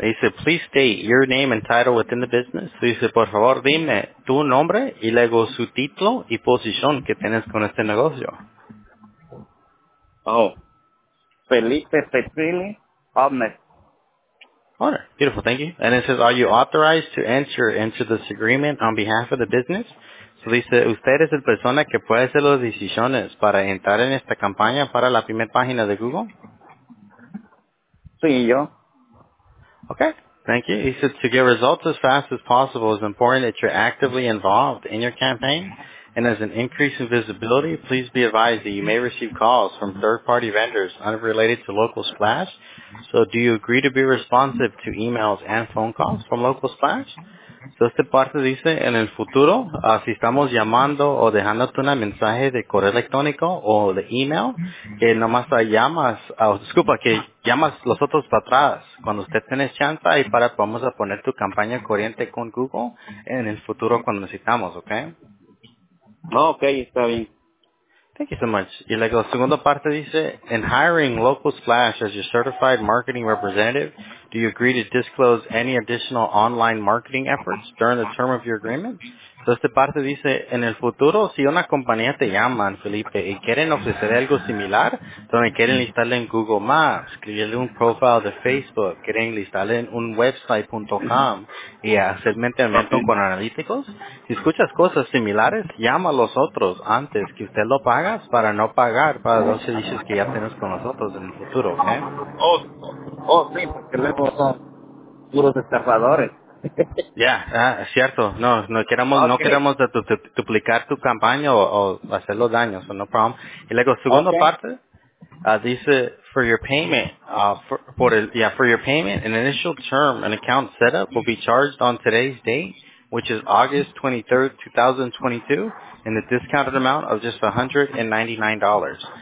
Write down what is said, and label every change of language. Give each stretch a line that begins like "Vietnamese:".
English: He said, please state your name and title within the business. So he said,
Spanish: por favor, dime tu nombre y luego su título y posición que tienes con este negocio. Oh. Felipe Petrini, Omnes.
English: All right, beautiful, thank you. And it says, are you authorized to enter into this agreement on behalf of the business?
Spanish: So dice, usted es el persona que puede hacer las decisiones para entrar en esta campaña para la primera página de Google? Sí, yo.
English: Okay, thank you. He says, to get results as fast as possible, it's important that you're actively involved in your campaign. And as an increase in visibility, please be advised that you may receive calls from third-party vendors unrelated to Local Splash. So do you agree to be responsive to emails and phone calls from Local Splash?
Spanish: So esta parte dice, en el futuro, si estamos llamando o dejándote un mensaje de correo electrónico o de email, que nomás llamas, que llamas los otros para atrás. Cuando usted tiene chance, y para vamos a poner tu campaña corriente con Google en el futuro cuando necesitamos, okay? Okay, está bien.
English: Thank you so much.
Spanish: Y luego, la segunda parte dice,
English: in hiring Local Splash as your certified marketing representative, do you agree to disclose any additional online marketing efforts during the term of your agreement?
Spanish: So esta parte dice, en el futuro, si una compañía te llama, Felipe, y quieren ofrecer algo similar, donde quieren listarle en Google Maps, escribirle un profile de Facebook, quieren listarle en un website.com y hacer mentalmente con analíticos, si escuchas cosas similares, llama a los otros antes que usted lo pagas para no pagar para los servicios que ya tienes con nosotros en el futuro, ¿ok? Oh, sí, porque luego son puros estafadores. Ya, yeah, es cierto. No queremos duplicar tu campaña o hacer los daños,
English: so no problem.
Spanish: Y luego segunda parte dice
English: for your payment for your payment, an initial term and account setup will be charged on today's date, which is August 23rd, 2022, in the discounted amount of just $199.